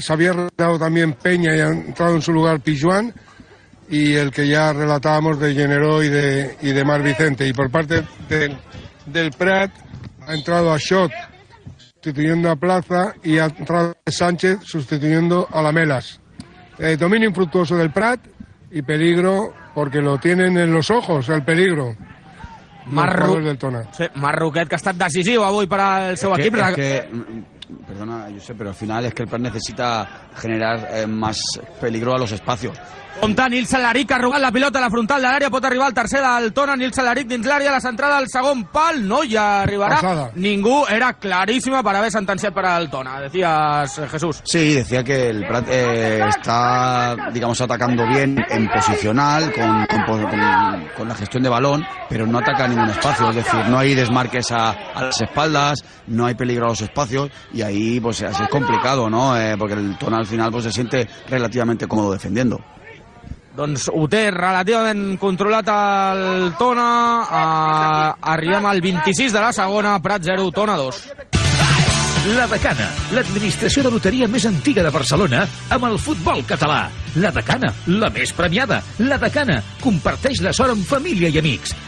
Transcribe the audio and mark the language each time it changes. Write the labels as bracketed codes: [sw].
[es] Se había retirado también Peña y ha entrado en su lugar Pijuan, y el que ya relatábamos de Generó y de Mar Vicente. Y por parte del Prat ha entrado a Shot, sustituyendo a Plaza, y ha entrado Sánchez, sustituyendo a Lamelas. Dominio infructuoso del Prat y peligro, porque lo tienen en los ojos, el peligro. [ca] Marroquet, que ha estat decisiu avui per al seu equip. [es] Perdona, Josep, pero al final es que el Prat necesita generar más peligro a los espacios. [ca] Compte, Nils Alaric, ha rugat la pilota a la frontal de l'àrea, pot arribar el tercer del Tona, Nils Alaric dins l'àrea, la centrada al segon pal, no hi arribarà Passada. Ningú, era claríssima per haver sentenciat per al Tona, [es] decías, [ca] Jesús. [es] Sí, decía que el Prat está, digamos, atacando bien en posicional, con la gestión de balón, pero no ataca ningún espacio, es decir, no hay desmarques a las espaldas, no hay peligro a los espacios, y ahí pues es complicado, ¿no? Porque el Tona al final pues se siente relativamente cómodo defendiendo. [ca] Doncs ho té relativament controlat el Tona. Arribem al 26 de la segona, Prat 0, Tona 2. La Decana, l'administració de loteria més antiga de Barcelona, amb el futbol català. La Decana, la més premiada. La Decana, comparteix la sort amb família i amics.